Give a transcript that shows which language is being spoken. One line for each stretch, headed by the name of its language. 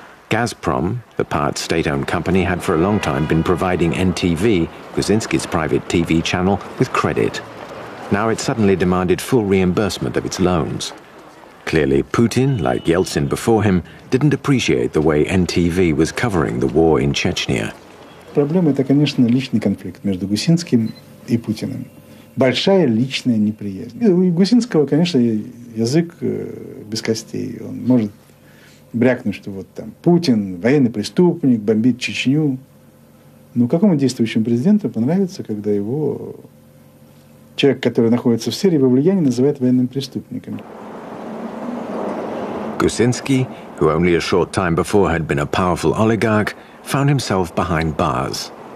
English: Gazprom, the part state-owned company, had for a long time been providing NTV, Kuczynski's private TV channel, with credit. Now it suddenly demanded full reimbursement of its loans. Clearly, Putin, like Yeltsin before him, didn't appreciate the way NTV was covering the war in Chechnya.
Russian: Проблема — это, конечно, личный конфликт между Гусинским и Путиным. Большая личная неприязнь. У Гусинского, конечно, язык без костей. Он может брякнуть, что вот там Путин военный преступник, бомбит Чечню. Но какому действующему президенту понравится, когда его человек, который находится в сфере его влияния, называют военным преступником?
English: Гусинский, who only a short time before had been a powerful oligarch, found himself behind bars.